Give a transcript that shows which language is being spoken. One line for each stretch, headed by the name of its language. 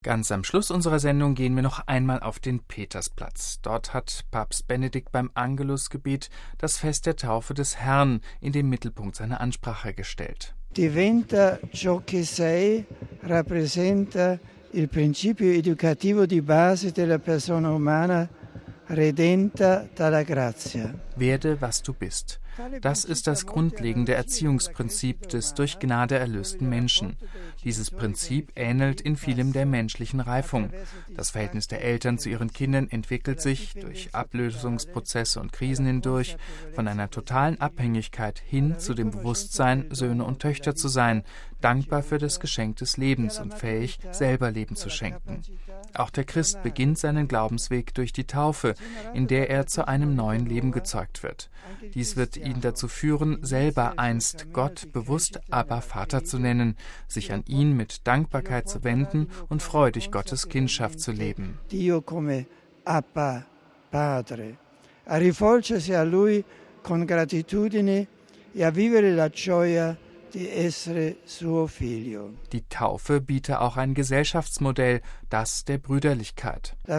German: Ganz am Schluss unserer Sendung gehen wir noch einmal auf den Petersplatz. Dort hat Papst Benedikt beim Angelusgebet das Fest der Taufe des Herrn in den Mittelpunkt seiner Ansprache gestellt.
Italian: Diventa ciò che sei rappresenta il principio educativo di base della persona umana redenta dalla grazia.
German: Werde, was du bist. Das ist das grundlegende Erziehungsprinzip des durch Gnade erlösten Menschen. Dieses Prinzip ähnelt in vielem der menschlichen Reifung. Das Verhältnis der Eltern zu ihren Kindern entwickelt sich durch Ablösungsprozesse und Krisen hindurch von einer totalen Abhängigkeit hin zu dem Bewusstsein, Söhne und Töchter zu sein, dankbar für das Geschenk des Lebens und fähig, selber Leben zu schenken. Auch der Christ beginnt seinen Glaubensweg durch die Taufe, in der er zu einem neuen Leben gezeugt wird. Dies wird ihn dazu führen, selber einst Gott bewusst aber Vater zu nennen, sich an ihn mit Dankbarkeit zu wenden und freudig Gottes Kindschaft zu leben.
Italian: Dio come Abba, Padre, a rivolgersi a lui con gratitudine e a vivere la gioia.
German: Die Taufe biete auch ein Gesellschaftsmodell, das der Brüderlichkeit.